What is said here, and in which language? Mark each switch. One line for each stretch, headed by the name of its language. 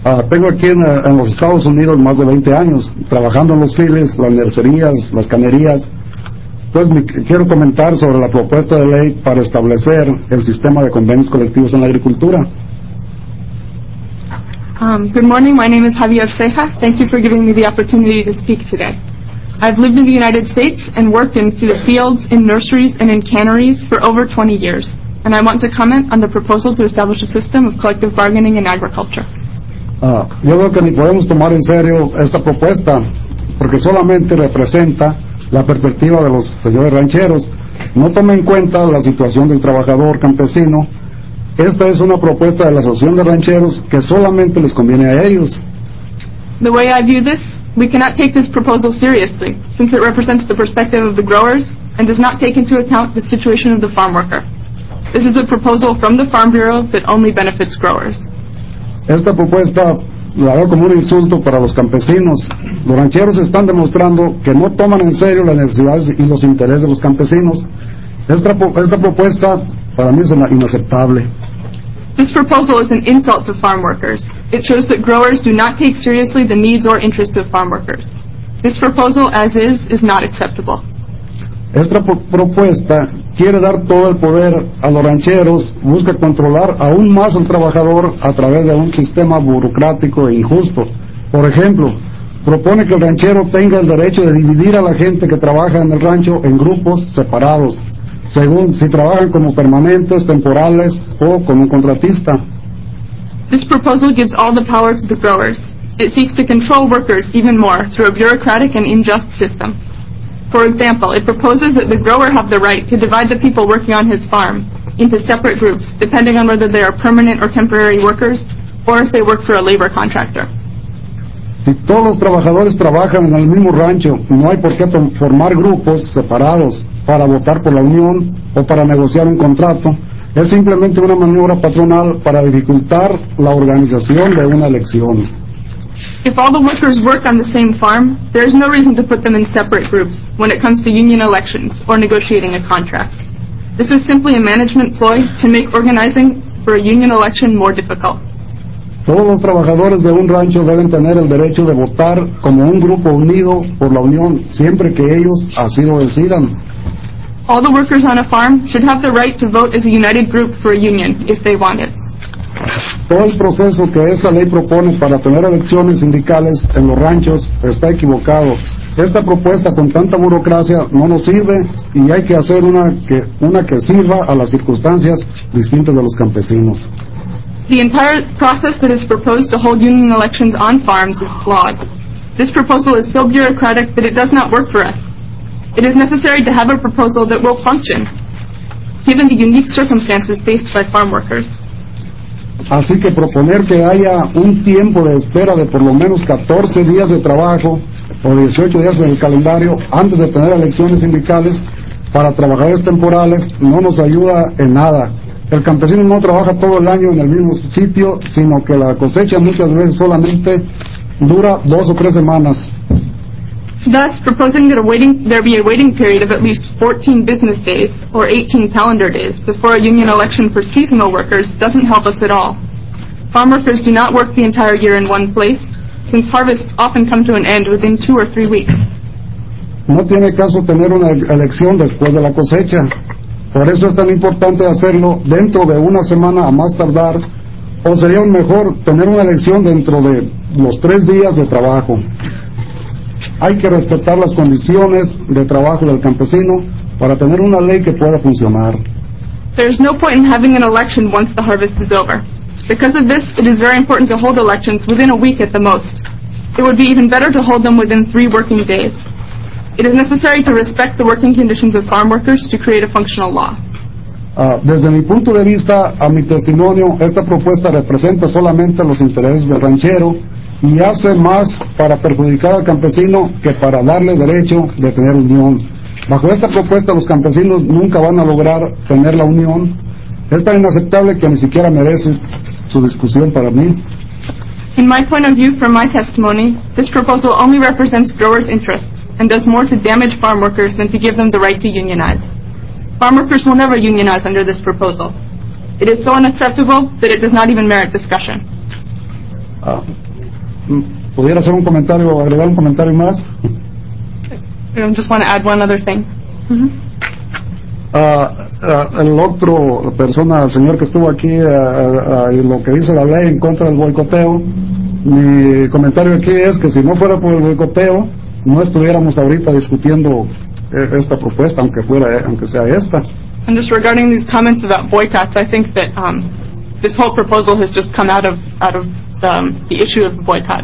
Spanish: Tengo aquí en los Estados Unidos más de 20 años, trabajando en los files, las mercerías, las canerías. Pues quiero comentar sobre la propuesta de ley para establecer el sistema de convenios colectivos en la agricultura.
English: Good morning. My name is Javier Ceja. Thank you for giving me the opportunity to speak today. I've lived in the United States and worked in the fields, in nurseries, and in canneries for over 20 years, and I want to comment on the proposal to establish a system of collective bargaining in agriculture.
Spanish: Yo creo que ni podemos tomar en serio esta propuesta, porque solamente representa la perspectiva de los señores rancheros. No toma en cuenta la situación del trabajador campesino. Esta es una propuesta de la Asociación de Rancheros que solamente les conviene a ellos.
English: The way I view this, we cannot take this proposal seriously, since it represents the perspective of the growers and does not take into account the situation of the farm worker. This is a proposal from the Farm Bureau that only benefits growers.
Spanish: Esta propuesta la veo como un insulto para los campesinos. Los rancheros están demostrando que no toman en serio las necesidades y los intereses de los campesinos. Esta propuesta para mí es inaceptable.
English: This proposal is an insult to farm workers. It shows that growers do not take seriously the needs or interests of farm workers. This proposal, as is not acceptable.
Spanish: Esta propuesta quiere dar todo el poder a los rancheros, busca controlar aún más al trabajador a través de un sistema burocrático e injusto. Por ejemplo, propone que el ranchero tenga el derecho de dividir a la gente que trabaja en el rancho en grupos separados, según si trabajan como permanentes, temporales o como un contratista.
English: This proposal gives all the power to the growers. It seeks to control workers even more through a bureaucratic and unjust system. For example, it proposes that the grower have the right to divide the people working on his farm into separate groups, depending on whether they are permanent or temporary workers, or if they work for a labor contractor.
Spanish: Si todos los trabajadores trabajan en el mismo rancho, no hay por qué formar grupos separados para votar por la unión o para negociar un contrato. Es simplemente una maniobra patronal para dificultar la organización de una elección.
English: If all the workers work on the same farm, there is no reason to put them in separate groups when it comes to union elections or negotiating a contract. This is simply a management ploy to make organizing for a union election more difficult.
Spanish: Todos los trabajadores de un rancho deben tener el derecho de votar como un grupo unido por la unión siempre que ellos así lo decidan.
English: All the workers on a farm should have the right to vote as a united group for a union if they want it.
Spanish: Todo el proceso que esta ley propone para tener elecciones sindicales en los ranchos está equivocado. Esta propuesta con tanta burocracia no nos sirve y hay que hacer una que sirva a las circunstancias distintas de los campesinos.
English: The entire process that is proposed to hold union elections on farms is flawed. This proposal is so bureaucratic that it does not work for us. it is necessary to have a proposal that will function, given the unique circumstances faced by farm workers.
Spanish: Así que proponer que haya un tiempo de espera de por lo menos 14 días de trabajo o 18 días en el calendario antes de tener elecciones sindicales para trabajadores temporales no nos ayuda en nada. El campesino no trabaja todo el año en el mismo sitio, sino que la cosecha muchas veces solamente dura dos o tres semanas.
English: Thus, proposing that there be a waiting period of at least 14 business days or 18 calendar days before a union election for seasonal workers doesn't help us at all. Farm workers do not work the entire year in one place, since harvests often come to an end within two or three weeks.
Spanish: No tiene caso tener una elección después de la cosecha. Por eso es tan importante hacerlo dentro de una semana a más tardar, o sería mejor tener una elección dentro de los tres días de trabajo. Hay que respetar las condiciones de trabajo del campesino para tener una ley que pueda funcionar.
English: There is no point in having an election once the harvest is over. Because of this, it is very important to hold elections within a week at the most. It would be even better to hold them within three working days. It is necessary to respect the working conditions of farm workers to create a functional law.
Spanish: Desde mi punto de vista, a mi testimonio, esta propuesta representa solamente los intereses del ranchero y hace más para perjudicar al campesino que para darle derecho de tener unión. Bajo esta propuesta, los campesinos nunca van a lograr tener la unión. Es tan inaceptable que ni siquiera merece su discusión para mí.
English: In my point of view, from my testimony, this proposal only represents growers' interests and does more to damage farm workers than to give them the right to unionize. Farm workers will never unionize under this proposal. It is so unacceptable that it does not even merit discussion.
Spanish: ¿Pudiera hacer un comentario o agregar un comentario más?
English: I just want to add one other thing.
Spanish: El otro persona, el señor que estuvo aquí, y lo que dice la ley en contra del boicoteo, mi comentario aquí es que si no fuera por el boicoteo, no estuviéramos ahorita discutiendo esta propuesta, aunque sea esta.
English: And just regarding these comments about boycotts, I think that this whole proposal has just come out of the issue of the boycott.